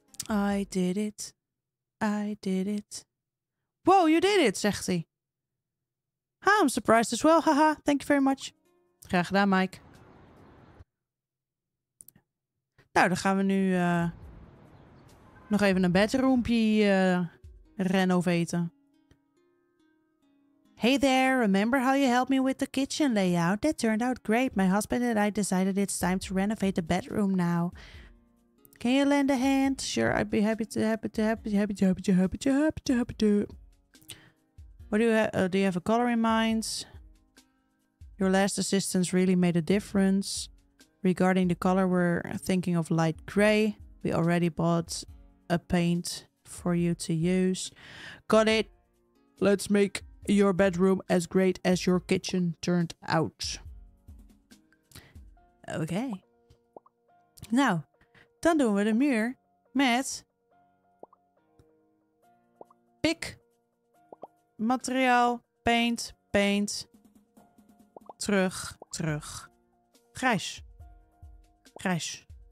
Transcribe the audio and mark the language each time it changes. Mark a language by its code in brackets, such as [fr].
[en] I did it. Wow, you did it, [nl] zegt hij. [en] Ha, I'm surprised as well, haha. Thank you very much. [nl] Graag gedaan, [en] Mike. [nl] Nou, dan gaan we nu nog even een bedroompje renoveren. [en] Hey there, remember how you helped me with the kitchen layout? That turned out great. My husband and I decided it's time to renovate the bedroom now. Can you lend a hand? Sure, I'd be happy to. What do you have a color in mind? Your last assistance really made a difference. Regarding the color, we're thinking of light gray. We already bought a paint for you to use. Got it. Let's make your bedroom as great as your kitchen turned out. Okay. [nl] Nou, dan doen we de muur met pik, materiaal, paint, terug, grijs. Grijs?